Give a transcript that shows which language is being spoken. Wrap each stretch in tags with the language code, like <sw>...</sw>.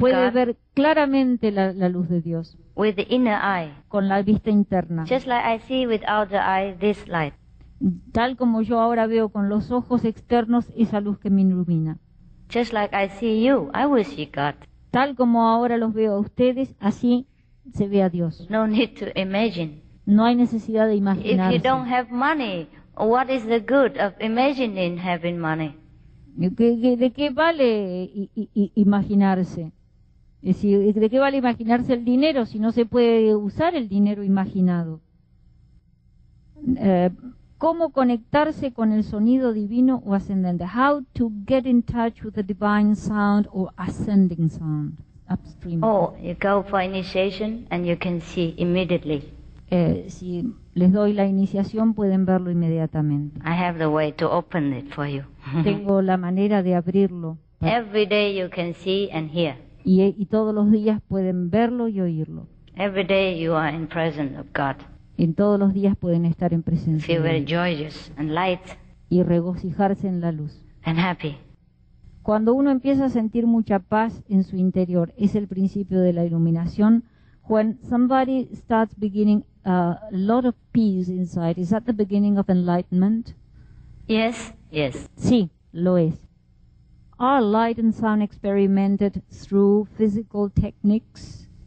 <es>Puede</es> <en>God.</en> <es>Puede ver claramente la luz de Dios.</es> <en>With the inner eye.</en> <es>Con la vista interna.</es> <en>Just like I see with outer eye this light.</en> <es>Tal como yo ahora veo con los ojos externos esa luz que me ilumina.</es> <en>Just like I see you, I will see God.</en> <es>Tal como ahora los veo a ustedes, así se ve a Dios.</es> <en>No need to imagine.</en> <es>No hay necesidad de imaginarse.</es> <en>If you don't have money, what is the good of imagining having money?</en> <es>¿De qué vale imaginarse? Es decir, ¿de qué vale imaginarse el dinero si no se puede usar el dinero imaginado? ¿Cómo conectarse con el sonido divino o ascendente?</es> <en>How to get in touch with the divine sound or ascending sound upstream? Oh, you go for initiation and you can see immediately.</en> <es>Si les doy la iniciación, pueden verlo inmediatamente.</es> <en>I have the way to open it for you.</en> <es>Tengo la manera de abrirlo.</es> <en>Every day you can see and hear.</en> <es>Y todos los días pueden verlo y oírlo.</es> <en>Every day you are in presence of God.</en> <es>En todos los días pueden estar en presencia.</es> <en>Feel very joyous and light.</en> <es>Y regocijarse en la luz.</es> <en>And happy.</en> <es>Cuando uno empieza a sentir mucha paz en su interior, es el principio de la iluminación.</es> <en>When somebody starts beginning a lot of peace inside, is that the beginning of enlightenment? Yes, yes.</en> <es>Sí, lo es.</es> <en>Are light and sound experimented through physical techniques?</en>